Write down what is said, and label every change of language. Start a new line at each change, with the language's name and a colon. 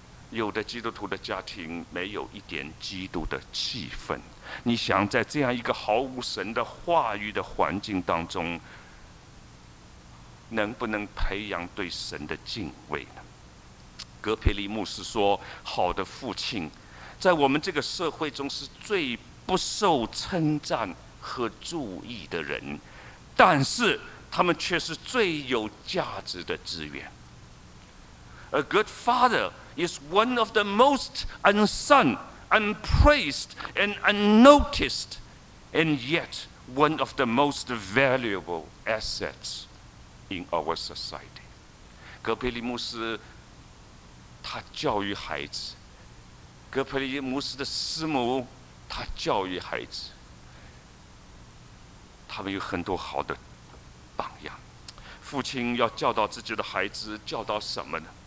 Chinese: 有的基督徒的家庭没有一点基督的气氛，你想在这样一个毫无神的话语的环境当中，能不能培养对神的敬畏呢？格培利牧师说，好的父亲在我们这个社会中是最不受称赞和注意的人，但是他们却是最有价值的资源。
English: A good father is one of the most unsung, unpraised, and unnoticed, and yet one of the most valuable assets in our society.
Chinese: 格培利牧师，他教育孩子。格培利牧师的师母，他教育孩子。他们有很多好的榜样。父亲要教导自己的孩子，教导什么呢？